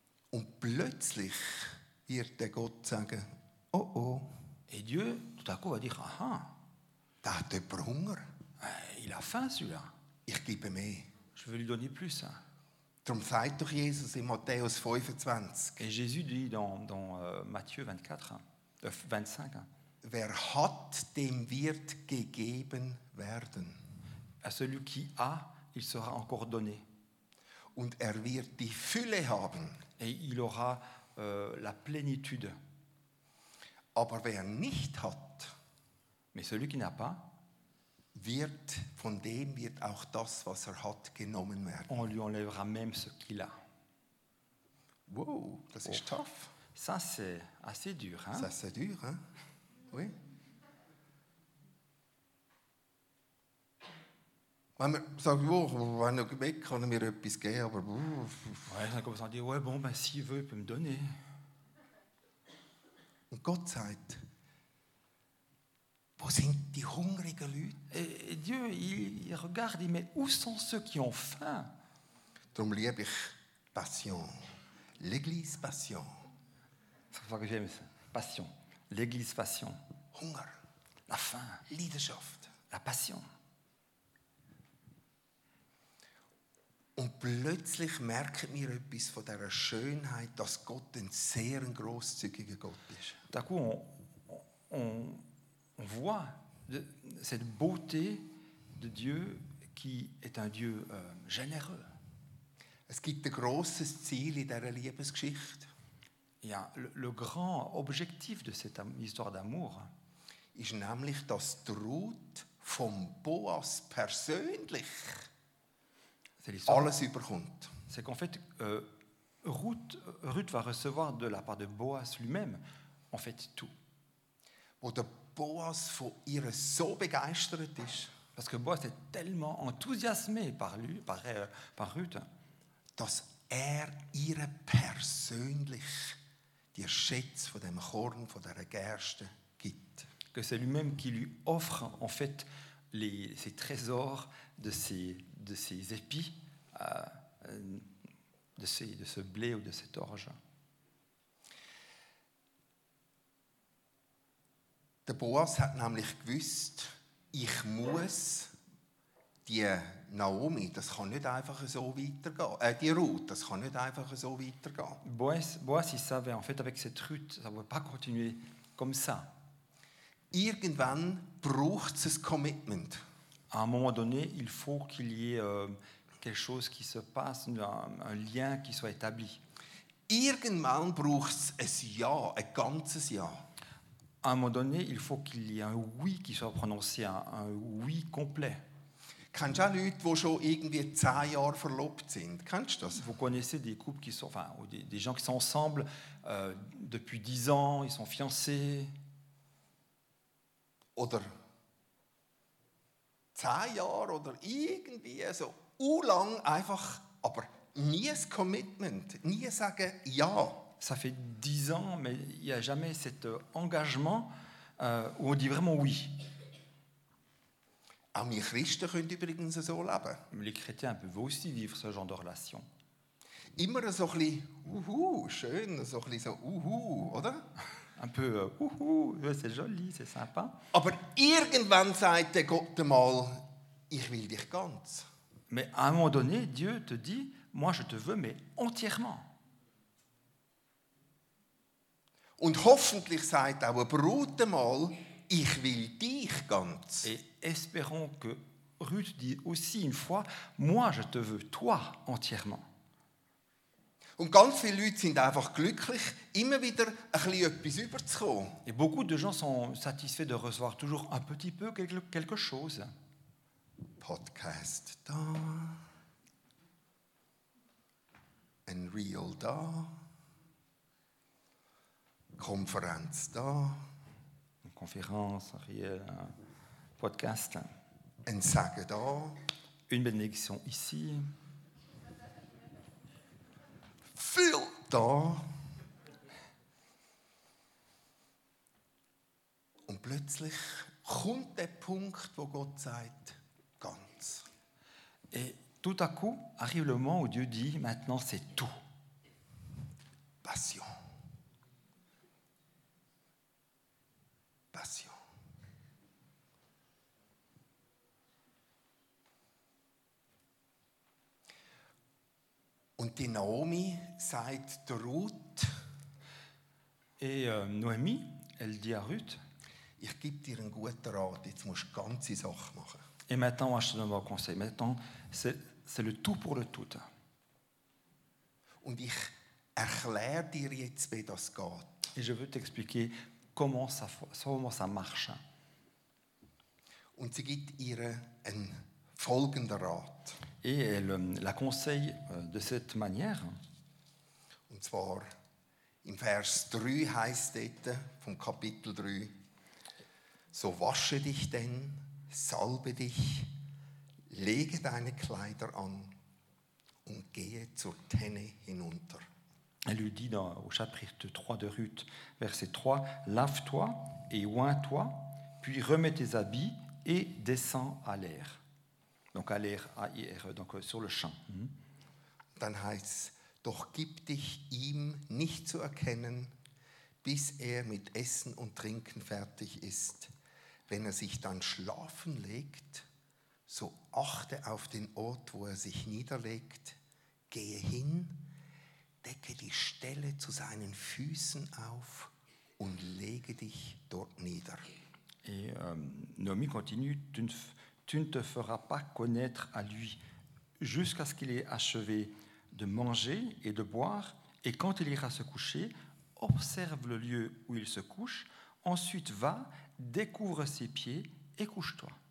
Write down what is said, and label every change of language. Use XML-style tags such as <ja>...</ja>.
<de>Und plötzlich wird der Gott sagen, oh oh.</de> <fr>Et Dieu, tout à coup, va dire, aha.</fr> <de>Da hat jemand Hunger.</de> <fr>Il a faim, celui-là.</fr> <de>Ich gebe mehr.</de> <fr>Je veux lui donner plus.</fr> <de>Darum sagt doch Jesus in Matthäus 25.</de> <fr>Et Jésus dit dans Matthieu 25,</fr> <de>wer hat, dem wird gegeben werden.</de> <fr>À celui qui a, il sera encore donné.</fr> <de>Und er wird die Fülle haben.</de> <fr>Et il aura la plénitude.</fr> <de>Aber wer nicht hat,</de> <fr>mais celui qui n'a pas,</fr> <de>wird, von dem wird auch das, was er hat, genommen werden.</de> <fr>On lui enlèvera même ce qu'il a.</fr> <de>Wow, das ist tough.</de> <fr>Ça, c'est assez dur. Hein? Ça, c'est dur, hein? Oui.</fr> <de>Wenn man sagt, oh, wenn er weg kann, er mir etwas geben, aber.</de> <fr>Ouais,</fr> <de>dann kommt man und sagt,</de> <fr>ouais, bon, ben, s'il veut, il peut me donner.</fr> <de>Und Gott sagt, wo sind die hungrigen Leute?</de> <fr>Et Dieu, il regarde, il dit, mais où sont ceux qui ont faim?</fr> <de>Darum liebe ich Passion.</de> <fr>L'Église Passion. C'est pour ça que j'aime ça. Passion. L'Église Passion.</fr> <de>Hunger.</de> <fr>La faim.</fr> <de>Leidenschaft.</de> <fr>La Passion.</fr> <de>Und plötzlich merken wir etwas von dieser Schönheit, dass Gott ein sehr grosszügiger Gott ist.</de> <fr>D'un coup, on voit cette beauté de Dieu qui est un Dieu généreux.</fr> <de>Es gibt ein grosses Ziel in dieser Liebesgeschichte.</de> <fr>Ja, le grand objectif de cette histoire d'amour</fr> <de>ist nämlich, dass die Ruth vom Boas persönlich alles überkommt.</de> <fr>C'est qu'en fait, Ruth va recevoir de la part de Boas lui-même, en fait, tout.</fr> <de>Wo der Boas von ihr so begeistert ist.</de> <fr>Parce que Boas est tellement enthousiasmé par lui, par Ruth,</fr> <de>dass er ihr persönlich die Schätze von dem Korn, von der Gerste gibt.</de> <fr>Que c'est lui-même qui lui offre, en fait, ses trésors de ses épis, de ce blé ou de cette orge.</fr> <de>Der Boas hat nämlich gewusst, ich muss die Naomi, das kann nicht einfach so weitergehen. Die Ruth, das kann nicht einfach so weitergehen.</de> <fr>Boas, il savait en fait avec cette Ruth, ça va pas continuer comme ça.</fr> <de>Irgendwann braucht es ein Commitment.</de> <fr>À un moment donné, il faut qu'il y ait quelque chose qui se passe, un lien qui soit établi.</fr> <de>Irgendwann braucht es ein Ja, ein ganzes Ja.</de> <fr>À un moment donné, il faut qu'il y ait un oui qui soit prononcé, un oui complet.</fr> <de>Kennst du auch Leute, die schon irgendwie 10 Jahre verlobt sind? Kennst du das?</de> <fr>Vous connaissez des couples qui sont, enfin, des gens qui sont ensemble depuis 10 ans, ils sont fiancés.</fr> <de>Oder 10 Jahre oder irgendwie so urlang einfach, aber nie ein Commitment, nie sagen Ja.</de> <fr>Ça fait 10 ans, mais il n'y a jamais cet engagement. où on dit vraiment oui.</fr> <de>Auch wir Christen können übrigens so leben.</de> <fr>Les chrétiens peuvent aussi vivre ce genre de relation.</fr> <de>Immer so ein bisschen, schön, so ein bisschen so, oder?</de> <fr>Un peu, c'est joli, c'est sympa.</fr> <de>Aber irgendwann sagt der Gott einmal, ich will dich ganz.</de> <fr>Mais à un moment donné, Dieu te dit, moi je te veux, mais entièrement.</fr> <de>Und hoffentlich sagt auch ein Brut einmal, ich will dich ganz.</de> <fr>Et espérons que Ruth dit aussi une fois, moi je te veux, toi, entièrement.</fr> <de>Und ganz viele Leute sind einfach glücklich, immer wieder ein bisschen etwas überzukommen.</de> <fr>Et beaucoup de gens sont satisfaits de recevoir toujours un petit peu quelque chose.</fr> <de>Podcast da. Ein Reel da. Konferenz da. Eine Konferenz, ein Reel, ein Podcast. Ein Segen da.</de> <fr>Une bénédiction ici.</fr> <de>Viel da. Und plötzlich kommt der Punkt, wo Gott sagt, ganz.</de> <fr>Et tout à coup arrive le moment où Dieu dit, maintenant c'est tout.</fr> <de>Passion.</de> <fr>Passion.</fr> <de>Und die Naomi sagt der Ruth.</de> <fr>Et Noemi, elle dit à Ruth.</fr> <de>Ich gebe dir einen guten Rat, jetzt musst du ganze Sache machen.</de> <fr>Et maintenant, moi, je te donne un conseil. Maintenant, c'est le tout pour le tout.</fr> <de>Und ich erkläre dir jetzt, wie das geht.</de> <fr>Et je veux t'expliquer comment ça marche.</fr> <de>Und sie gibt ihr einen folgenden Rat.</de> <fr>Et elle la conseille de cette manière.</fr> <de>Und zwar im Vers 3 heißt es vom Kapitel 3: So wasche dich denn. Salbe dich, lege deine Kleider an und gehe zur Tenne hinunter.</de> <fr>Elle lui dit dans, au chapitre 3 de Ruth, verset 3, lave-toi et oins-toi, puis remets tes habits et descends à l'air. Donc à l'air, A-I-R, donc sur le champ.</fr> <de>Dann heißt doch gib dich ihm nicht zu erkennen, bis mit Essen und Trinken fertig ist. Wenn sich dann schlafen legt, so achte auf den Ort, wo sich niederlegt, gehe hin, decke die Stelle zu seinen Füßen auf und lege dich dort nieder.</de> <fr>Et Noemi continue, tu ne te feras pas connaître à lui jusqu'à ce qu'il ait achevé de manger et de boire, et quand il ira se coucher, observe le lieu où il se couche, ensuite va, découvre ses pieds et couche-toi.</fr>